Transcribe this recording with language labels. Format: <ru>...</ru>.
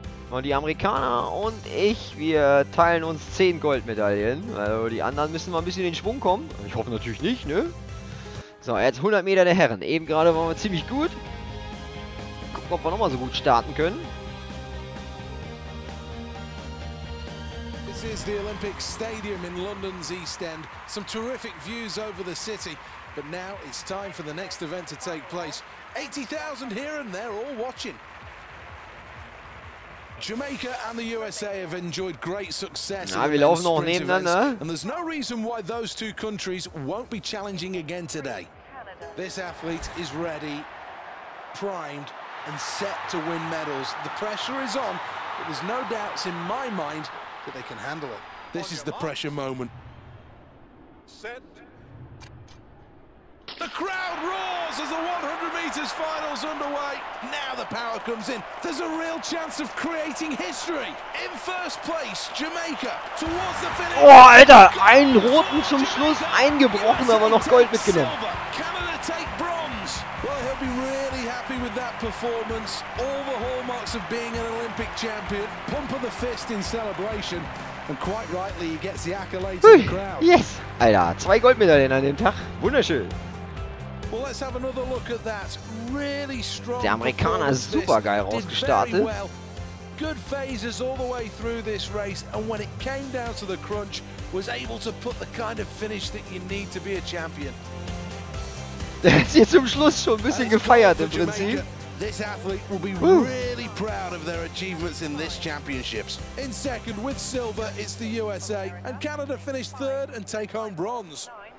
<de>Und die Amerikaner und ich, wir teilen uns 10 Goldmedaillen. Also die anderen müssen mal ein bisschen in den Schwung kommen. Ich hoffe natürlich nicht, ne? So, jetzt 100 Meter der Herren. Eben gerade waren wir ziemlich gut. Gucken, ob wir nochmal so gut starten können.</de> <en>This is the Olympic Stadium in London's East End. Some terrific views over the city. But now it's time for the next event to take place. 80,000 here and there all watching. Jamaica and the USA have enjoyed great success.</en> <de>Na, wir laufen noch nebeneinander.</de> <en>And there's no reason why those two countries won't be challenging again today. This athlete is ready, primed and set to win medals. The pressure is on, but there's no doubts in my mind that they can handle it. This is the pressure moment. Set. The crowd roars as the 100 meters final's underway. Now the power comes in. There's a real chance of creating history. In first place, Jamaica. Towards the finish.</en> <de>Oh, Alter, einen roten zum Schluss eingebrochen, aber noch Gold mitgenommen.</de> <en>Canada take bronze. Well, he'll be really happy with that performance. All the hallmarks of being an Olympic champion. Pump of the fist in celebration. And quite rightly, he gets the accolades of the crowd.</en> <de>Yes, Alter, 2 Goldmedaillen an dem Tag. Wunderschön.</de> <en>Well, let's have another look at that. Really strong.</en> <de>Der Amerikaner ist super geil rausgestartet.</de> <en>Good phases all the way through this race, and when it came down to the crunch, was able to put the kind of finish that you need to be a champion.</en> <de>Der ist jetzt zum Schluss schon ein bisschen gefeiert im Prinzip.</de> <en>This athlete will be really proud of their achievements in this championships. In second with silver, it's the USA, and Canada finished third and take home bronze.</en>